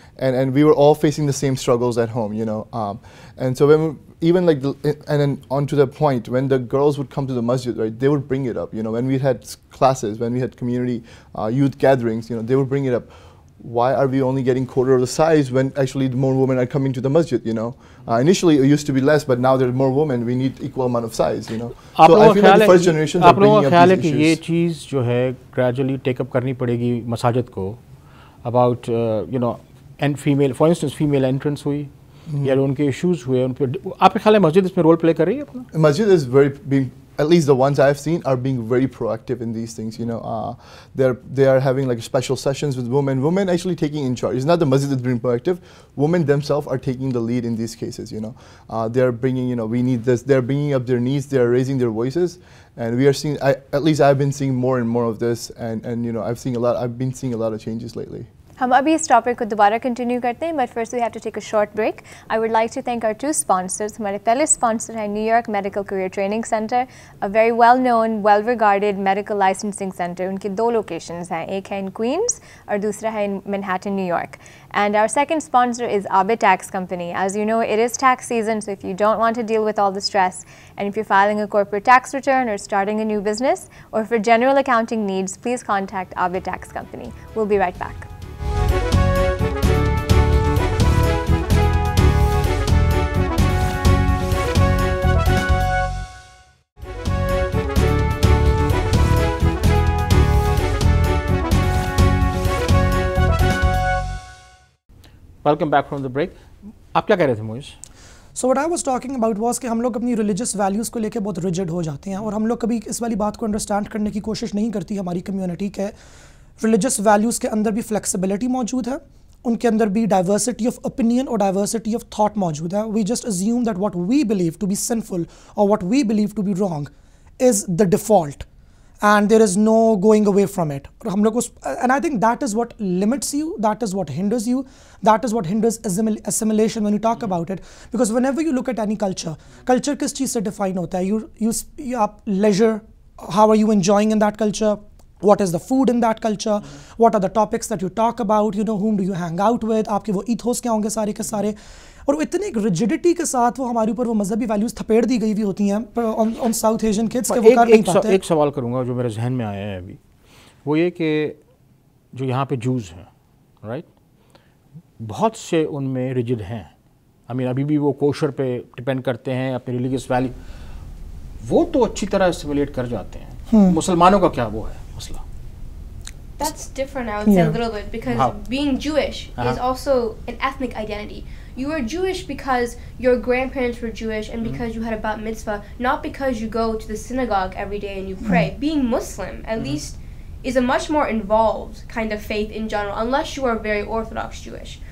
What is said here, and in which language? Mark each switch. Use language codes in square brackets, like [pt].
[en] And we were all facing the same struggles at home, you know. And so when onto the point when the girls would come to the masjid, right, they would bring it up. You know, when we had classes, when we had community youth gatherings, you know, they would bring it up. Why are we only getting quarter of the size when actually more women are coming to the masjid? You know, initially it used to be less, but now there are more women. We need equal amount of size. You know, so I feel like the first generation are bringing up these issues. [hi] ये चीज़ जो है gradually take up करनी पड़ेगी मसाजिद को about you know. [en] And female, for instance, female entrance hui, yeah, unke issues hui, unpe. [hi] Aapke khayal mein masjid isme role play kar rahi hai apna? [en] Masjid is very being, at least the ones I've seen are being very proactive in these things. You know, they are having like special sessions with women. Women actually taking in charge. It's not the masjid that's being proactive. Women themselves are taking the lead in these cases. You know, they're bringing, you know, we need this. They're bringing up their needs. They're raising their voices. And we are seeing, at least I've been seeing more and more of this. And you know, I've been seeing a lot of changes lately. [hi] हम अभी इस topic को दोबारा continue करते हैं, [en] But first we have to take a short break. I would like to thank our two sponsors. [hi] हमारे पहले sponsor हैं [en] New York medical career training centre, a very well known well regarded medical licensing centre. [hi] उनके दो locations हैं, एक है इन queen's और दूसरा है इन Manhattan New York. [en] And our second sponsor is Abbott Tax Company. As you know, it is tax season, so if you don't want to deal with all the stress, and if you're filing a corporate tax return or starting a new business, or for general accounting needs, please contact Abbott Tax Company. We'll be right back. Welcome back from the break. [hi] आप क्या कह रहे थे Mohish? [en] So what I was talking about was [hi] कि हम लोग अपनी religious values को लेके बहुत rigid हो जाते हैं, और हम लोग कभी इस वाली बात को understand करने की कोशिश नहीं करती हमारी community के religious values के अंदर भी flexibility मौजूद है, उनके अंदर भी diversity of opinion और diversity of thought मौजूद है. [en] We just assume that what we believe to be sinful or what we believe to be wrong is the default. And there is no going away from it. And I think that is what limits you, that is what hinders you, that is what hinders assimilation when you talk about it. Because whenever you look at any culture, culture [hi] kis cheez se define hota hai? [en] You have leisure, how are you enjoying in that culture? What is the food in that culture? Mm-hmm. What are the topics that you talk about? You know, whom do you hang out with? [hi] Aapke wo ethos kya honge sare ke sare? और इतनी एक rigidity के साथ वो हमारे ऊपर वो मज़हबी वैल्यूज़ थपेड़ दी गई भी होती हैं ऑन साउथ एशियन किड्स के वो कर नहीं पाते. एक सवाल करूँगा जो मेरे जहन में आया है अभी, वो ये कि जो यहाँ पे जूज़ हैं, राइट, बहुत से उनमें रिजिड हैं. आई मीन अभी भी वो कोशर पे डिपेंड करते हैं, अपने रिलीजियस वैल्यू. वो तो अच्छी तरह असिमिलेट कर जाते हैं. मुसलमानों का क्या वो है मसला? [en] That's different, I would say, a little bit, because being Jewish is also an ethnic identity. You are Jewish because your grandparents were Jewish and because you had a bat mitzvah, not because you go to the synagogue every day and you pray. Being Muslim, at least, is a much more involved kind of faith in general, unless you are very Orthodox Jewish.